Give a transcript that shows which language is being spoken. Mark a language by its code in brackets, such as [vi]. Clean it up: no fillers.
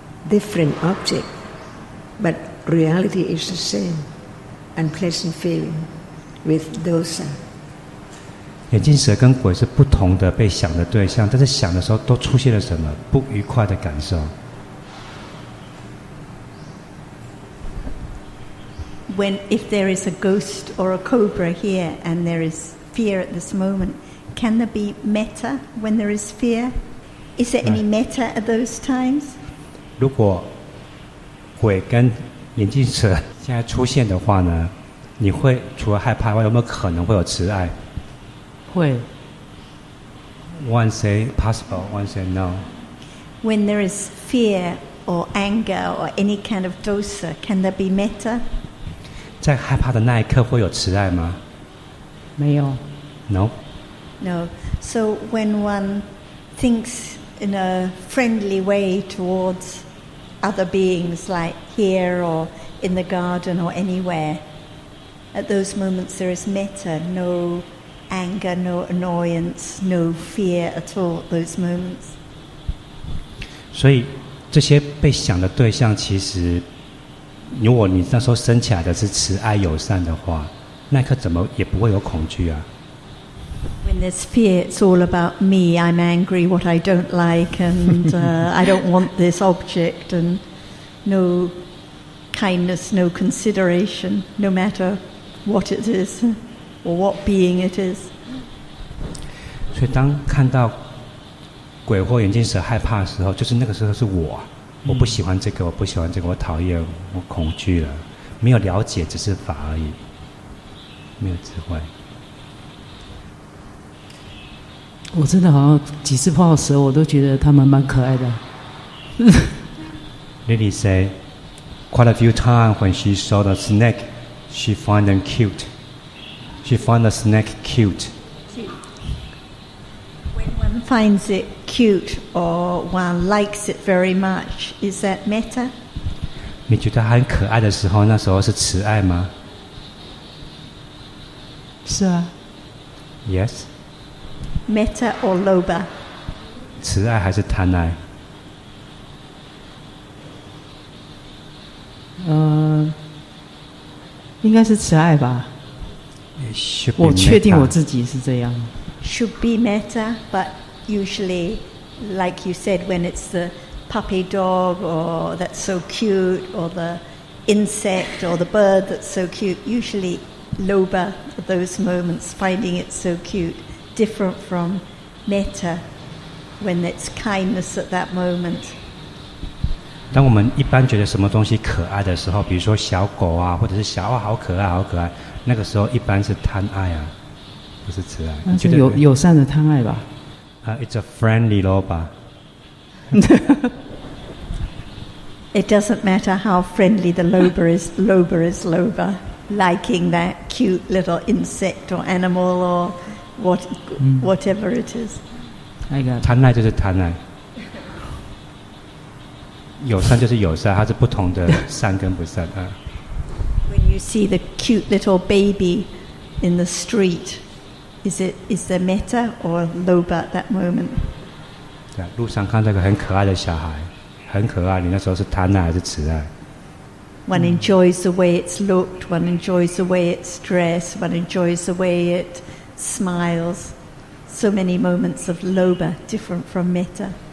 [en] Different object, but reality is the same. Unpleasant feeling with dosa. [zh] 眼镜蛇跟鬼是不同的被想的对象，但是想的时候都出现了什么不愉快的感受。 [en] When if there is a ghost or a cobra here and there is fear at this moment, can there be metta when there is fear? Is there any metta at those times? [zh] 如果鬼跟眼镜蛇现在出现的话呢，你会除了害怕外，有没有可能会有慈爱？会。 [en] One say possible, one say no. When there is fear or anger or any kind of dosa, can there be metta? [zh] 在害怕的那一刻会有慈爱吗？没有。 [en] No. No. So when one thinks in a friendly way towards other beings, like here or in the garden or anywhere, at those moments there is metta, no. Anger, no annoyance, no fear at all. Those moments. [zh] 所以这些被想的对象，其实如果你那时候生起来的是慈爱友善的话，那一刻怎么也不会有恐惧啊。 [en] When there's fear, it's all about me. I'm angry. What I don't like, and I don't want this object, and no kindness, no consideration, no matter what it is. Or what being it is. [zh] 所以当看到鬼或眼镜蛇害怕的时候，就是那个时候是我，我不喜欢这个，我不喜欢这个，我讨厌，我恐惧了，没有了解，只是法而已，没有智慧。我真的好像几次碰到蛇，我都觉得他们蛮可爱的。 [en] Lily said, quite a few times when she saw the snake, she found them cute. She finds the snake cute. When one finds it cute or one likes it very much, is that metta? [zh] 你觉得很可爱的时候，那时候是慈爱吗？是啊。 [en] Yes. Metta or lobha? [zh] 慈爱还是贪爱？应该是慈爱吧。我确定我自己是这样。 [en] Should be metta, but usually, like you said, when it's the puppy dog or that's so cute, or the insect or the bird that's so cute, usually lobha at those moments, finding it so cute, different from metta when it's kindness at that moment. [zh] 当我们一般觉得什么东西可爱的时候，比如说小狗啊，或者是小猫，好可爱，好可爱。那个时候一般是贪爱啊，不是慈爱。那是友善的贪爱吧？ [en] It's a friendly lobha. It doesn't matter how friendly the lobha is. Lobha is lobha, liking that cute little insect or animal or whatever it is. I got. [zh] 贪爱就是贪爱，友善就是友善，它是不同的善跟不善啊。 [en] When you see the cute little baby in the street, is there metta or lobha at that moment? [zh] 在路上看到个很可爱的小孩，很可爱，你那时候是贪爱还是慈爱？ [en] One enjoys the way it's looked. One enjoys the way it's dressed. One enjoys the way it smiles. So many moments of lobha, different from metta.